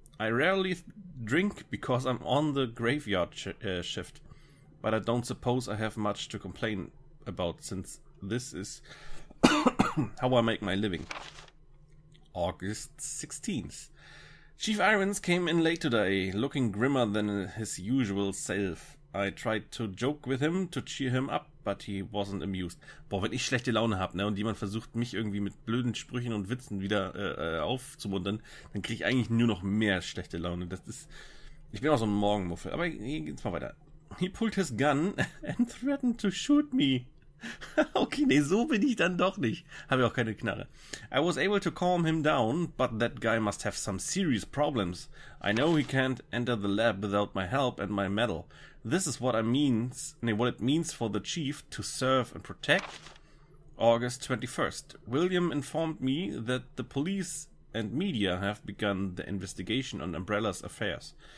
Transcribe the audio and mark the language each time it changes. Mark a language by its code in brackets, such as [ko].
[en] I rarely drink because I'm on the graveyard shift, but I don't suppose I have much to complain about since this is how I make my living. August 16th. Chief Irons came in late today, looking grimmer than his usual self. I tried to joke with him to cheer him up, but he wasn't amused. [de] Boah, wenn ich schlechte Laune habe, ne, und jemand versucht, mich irgendwie mit blöden Sprüchen und Witzen wieder aufzumuntern, dann kriege ich eigentlich nur noch mehr schlechte Laune. Das ist... Ich bin auch so ein Morgenmuffel. Aber hier geht's mal weiter. [en] He pulled his gun and threatened to shoot me. [de] Okay, nee, so bin ich dann doch nicht. Habe ich auch keine Knarre. [en] I was able to calm him down, but that guy must have some serious problems. I know he can't enter the lab without my help and my medal. This is what I means, nee, what it means for the chief to serve and protect. August 21st. William informed me that the police and media have begun the investigation on Umbrella's affairs.